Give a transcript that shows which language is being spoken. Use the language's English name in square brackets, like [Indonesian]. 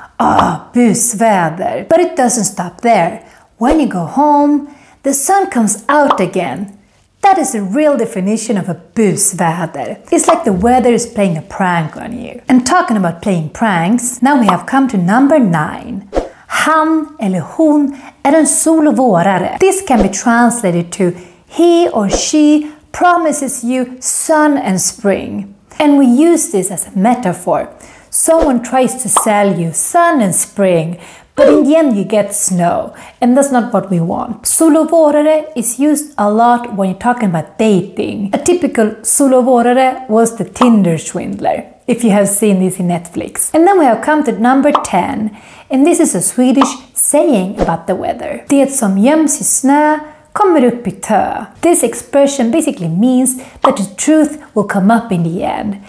[English] Ah, busväder. But it doesn't stop there. When you go home, the sun comes out again. That is the real definition of a busväder. It's like the weather is playing a prank on you. And talking about playing pranks, now we have come to number 9. [Swedish] Han eller hon är en solvårare. [English] This can be translated to he or she promises you sun and spring. And we use this as a metaphor. Someone tries to sell you sun and spring, but in the end you get snow. And that's not what we want. Solvårare is used a lot when you're talking about dating. A typical solvårare was the Tinder swindler, if you have seen this in Netflix. And then we have come to number 10. And this is a Swedish saying about the weather. [Swedish] Det som göms i snö kommer upp i tö. [English] This expression basically means that the truth will come up in the end.